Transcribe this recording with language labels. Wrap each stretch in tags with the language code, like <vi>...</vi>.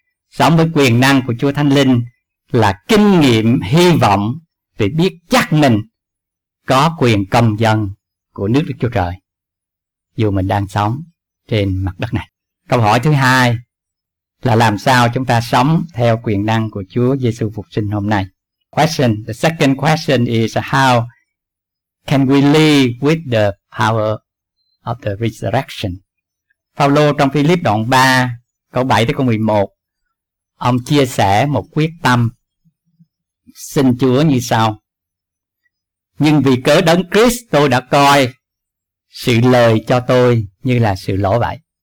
<vi>Sống với quyền năng của Chúa Thánh Linh là kinh nghiệm hy vọng vì biết chắc mình có quyền công dân của nước Đức Chúa Trời dù mình đang sống trên mặt đất này. Câu hỏi thứ hai là làm sao chúng ta sống theo quyền năng của Chúa Giêsu phục sinh hôm nay.</vi> <en>Question, the second question is how can we live with the power of the resurrection?</en> <vi>Phao-lô trong Philip đoạn 3, câu 7 tới câu 11, ông chia sẻ một quyết tâm xin Chúa như sau. Nhưng vì cớ đấng Christ, tôi đã coi sự lời cho tôi như là sự lỗ vậy.</vi>